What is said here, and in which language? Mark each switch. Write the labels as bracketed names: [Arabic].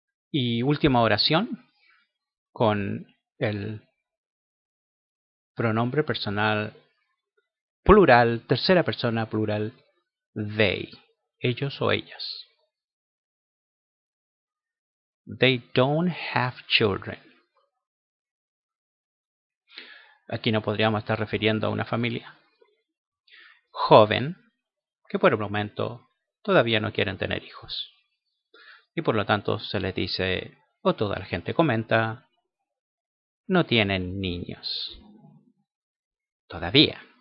[Spanish] Y última oración con el pronombre personal plural, tercera persona plural, they, ellos o ellas. [English] They don't have children. [Spanish] Aquí no podríamos estar refiriendo a una familia joven que por el momento todavía no quieren tener hijos. Y por lo tanto se les dice, o toda la gente comenta, no tienen niños. Todavía.